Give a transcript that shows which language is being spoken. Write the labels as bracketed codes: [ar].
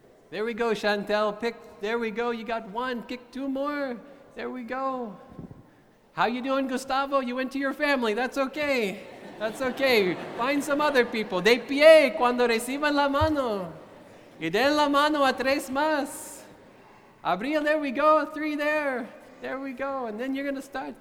[en] There we go, Chantel, pick, there we go, you got one, kick two more, there we go. How you doing, Gustavo? You went to your family, that's okay, find some other people. [es] De pie, cuando reciban la mano, y den la mano a tres más. [en] Abril, there we go, three there we go, and then you're gonna start.